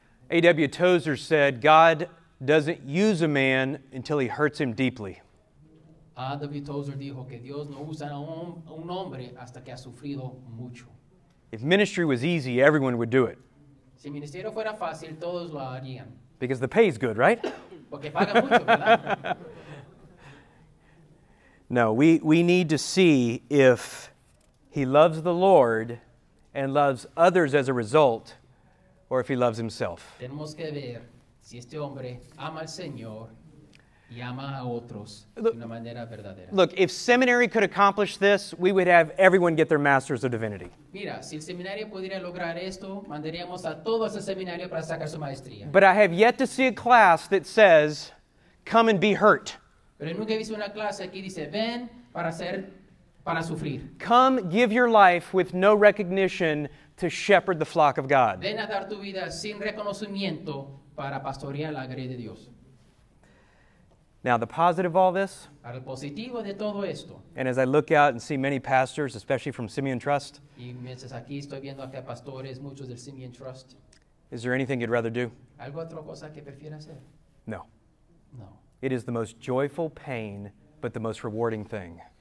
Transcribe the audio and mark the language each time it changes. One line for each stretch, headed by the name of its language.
English: A.W. Tozer said, God doesn't use a man until he hurts him deeply.
Spanish: A.W. Tozer dijo que Dios no usa a un hombre hasta que ha sufrido mucho.
English: If ministry was easy, everyone would do it.
Spanish: Si el ministerio fuera fácil, todos lo harían.
English: Because the pay is good, right?
Spanish: Porque paga mucho, ¿verdad?
English: No, we need to see if he loves the Lord and loves others as a result, or if he loves himself.
Spanish: Tenemos que ver si este hombre ama al Señor.
English: Look, if seminary could accomplish this, we would have everyone get their Masters of Divinity.
Spanish: Mira, si el seminario pudiera lograr esto, mandaríamos a todos al seminario para sacar su maestría.
English: But I have yet to see a class that says, come and be hurt.
Spanish: Pero nunca he visto una clase que dice, ven para ser, para sufrir.
English: Come, give your life with no recognition to shepherd the flock of God.
Spanish: Ven a dar tu vida sin reconocimiento para pastorear la grey de Dios.
English: Now, the positive of all this,
Spanish: el positivo de todo esto,
English: and as I look out and see many pastors, especially from Simeon Trust,
Spanish: y mientras aquí estoy viendo acá pastores, muchos del Simeon Trust,
English: is there anything you'd rather do?
Spanish: ¿Algo otra cosa que prefiera hacer?
English: No.
Spanish: No.
English: It is the most joyful pain, but the most rewarding thing.